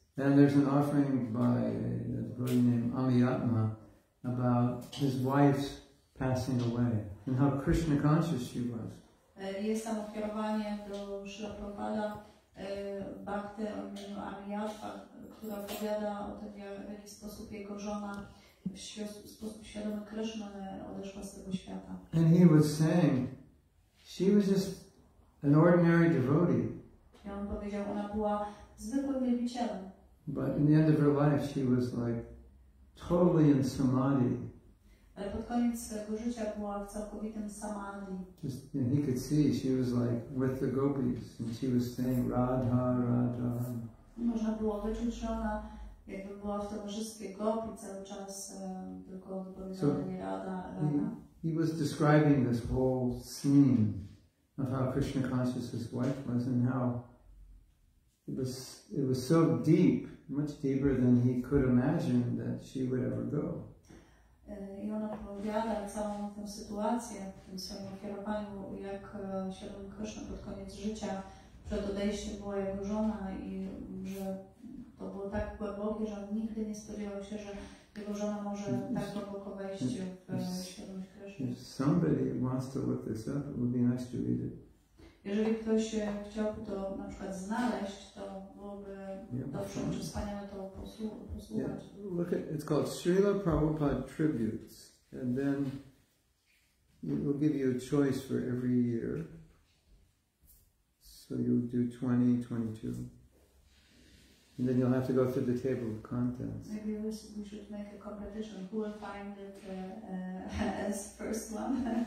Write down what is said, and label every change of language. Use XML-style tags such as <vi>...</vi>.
<en>And there's an offering by a devotee named Amiyatma about his wife's passing away and how Krishna conscious she was.</en> <pl>Jest tam ofiarowanie do Śrila Prabhupada Bhakti o imieniu Amiyatma, która opowiada o tym, w jaki sposób jego żona w sposób świadomy Krishna odeszła z tego świata.</pl> <en>And he was saying, she was just an ordinary devotee.</en> <pl>I on powiedział, ona była zwykłym wielbicielem.</pl> <en>But in the end of her life, she was like, totally in samadhi.</en> <pl>Ale pod koniec swojego życia była w całkowitym samadhi.</pl> <en>Just, and he could see she was like with the gopis and she was saying Radha, Radha.</en> <pl>Można było wyczuć, że ona jakby była w towarzystwie gopi cały czas tylko wypowiadała nie Radha, Radha.</pl> <en>He was describing this whole scene of how Krishna Conscious's wife was and how it was so deep. Much deeper than he could imagine that she would ever go.</en> <pl>I ona opowiada całą tę sytuację w tym swoim ofiarowaniu, jak świadomy Krishna pod koniec życia, przed odejściem była jego żona i że to było tak głębokie, że on nigdy nie spodziewał się, że jego żona może tak głęboko wejść w świadomość</pl> <en>Krishna. If somebody wants to look this up, it would be nice to read it.</en> <pl>Jeżeli ktoś chciałby to na przykład znaleźć, to byłoby dobrze, czy wspaniale to posłuchać.</pl> <en>Yeah. Look at, it's called Srila Prabhupada Tributes. And then it will give you a choice for every year. So you'll do 2022. And then you'll have to go through the table of contents. Maybe we should make a competition. Who will find it as first one?</en>